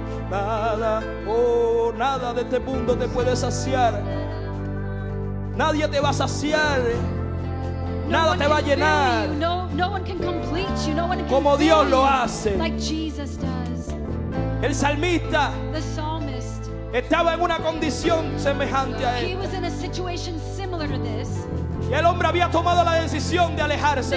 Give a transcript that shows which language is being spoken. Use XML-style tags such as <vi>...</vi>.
<es>Nada, nada de este mundo te puede saciar. Nadie te va a saciar. Nada te va a llenar.</es> <en>No one can complete you. No one can.</en> <es>Como Dios lo hace.</es> <en>Like Jesus does.</en> <es>El salmista.</es> <en>The psalmist.</en> <es>Estaba en una condición semejante a él.</es> <en>He was in a situation similar to this.</en> <es>Y el hombre había tomado la decisión de alejarse</es>